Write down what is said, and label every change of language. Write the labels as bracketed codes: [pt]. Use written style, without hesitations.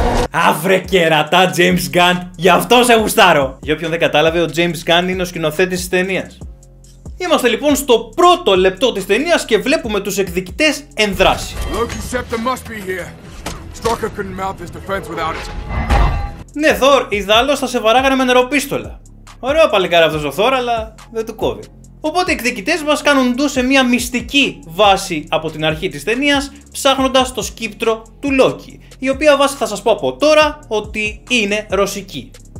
[el] Αβρε κερατά, James Gunn, γι' αυτό σε γουστάρω. Για όποιον δεν κατάλαβε, ο James Gunn είναι ο σκηνοθέτης της ταινίας. Είμαστε λοιπόν στο πρώτο λεπτό της ταινίας και βλέπουμε τους εκδικητές εν δράση. [en] Loki's scepter must be here. Stalker couldn't mount his defense without it. [el] Ναι, Thor, ιδάλλως θα σε βαράγανε με νεροπίστολα. Ωραίο παλικάρι αυτός ο Thor, αλλά δεν του κόβει. Οπότε οι εκδικητές μας κάνουν ντου σε μια μυστική βάση από την αρχή της ταινίας, ψάχνοντας το σκύπτρο του Loki, η οποία βάση θα σας πω από τώρα ότι είναι ρωσική.